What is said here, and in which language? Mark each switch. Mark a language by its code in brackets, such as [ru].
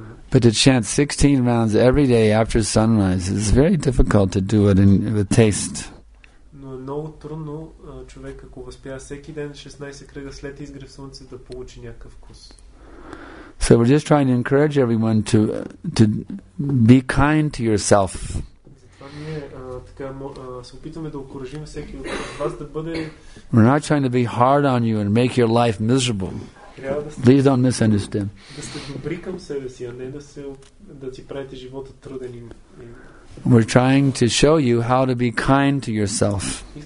[en] But to chant 16 rounds every day after sunrise is very difficult to do it with taste. [bg] Много трудно човек, ако възпява всеки ден 16 кръга след изгрев слънце, да получи някакъв вкус. [en] So we're just trying to encourage everyone to be kind to yourself. [bg] Затова ние така се опитваме да окуражим всеки от вас да бъде. [en] We're not trying to be hard on you and make your life miserable. Please don't misunderstand. [bg] Да сте добри към себе си, а не да си правите живота труден. [en] We're trying to show you how to be kind to yourself.